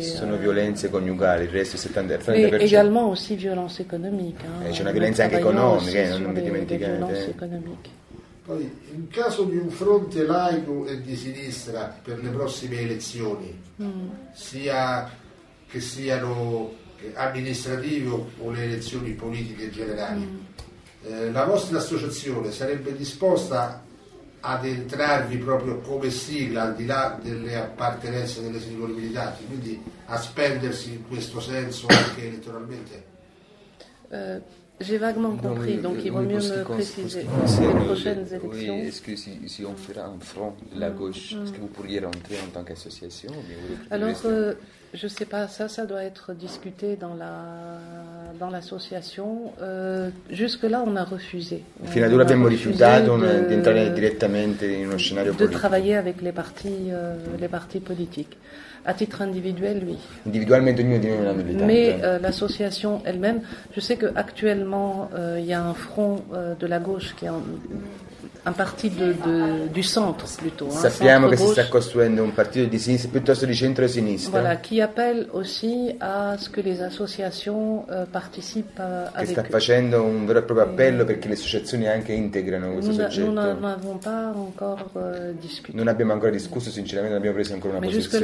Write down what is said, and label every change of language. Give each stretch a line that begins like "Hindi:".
Italian: Sono violenze coniugali, il resto 70%.
French: Et également aussi violences économiques.
Italian: C'è una violenza anche economica, non vi dimenticate. Violenze economiche. Poi, in caso di un fronte laico e di sinistra per le prossime elezioni, sia che siano amministrative o le elezioni politiche generali. La vostra associazione sarebbe disposta ad entrarvi proprio come sigla, al di là delle appartenenze delle singole militanti, quindi a spendersi in questo senso anche elettoralmente?
French: J'ai vaguement compris, donc il vaut mieux me préciser. Les prochaines élections. Oui, est-ce que si on fera un front de la gauche, est-ce que vous pourriez rentrer en tant qu'association? Alors, Je ne sais pas, ça doit être discuté dans l'association. Jusque-là, on a refusé.
Italian: Fino ad ora abbiamo rifiutato di entrare direttamente in uno scenario politico.
French: De travailler avec les partis politiques. À titre individuel, oui.
Italian: Individuellement, ognuno di noi non ha militante.
French: Mais l'association elle-même, je sais qu'actuellement, il y a un front de la gauche qui est en. Un parti du centre plutôt.
Italian: Sappiamo che si sta costruendo un partito di sinistra piuttosto di centro-sinistra.
French: Voilà, qui appelle aussi à ce que les associations participent avec
Italian: eux. Sta facendo un vero e proprio appello perché le associazioni anche integrano questo soggetto.
French: Non avons pas encore discuté.
Italian: Non abbiamo ancora discusso, sinceramente non abbiamo preso ancora una posizione.